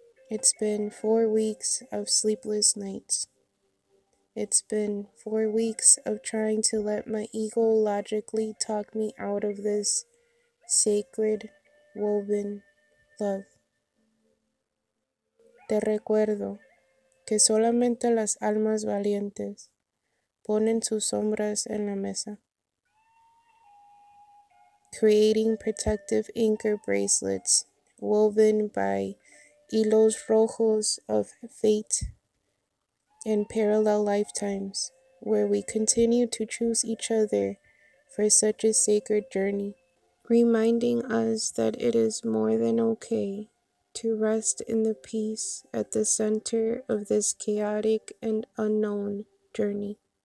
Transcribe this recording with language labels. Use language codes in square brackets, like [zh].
[en] It's been 4 weeks of sleepless nights. It's been 4 weeks of trying to let my ego logically talk me out of this sacred, woven love. [es] Te recuerdo que solamente las almas valientes ponen sus sombras en la mesa. [en] Creating protective anchor bracelets woven by [es] hilos rojos [en] of fate and parallel lifetimes, where we continue to choose each other for such a sacred journey, reminding us that it is more than okay to rest in the peace at the center of this chaotic and unknown journey.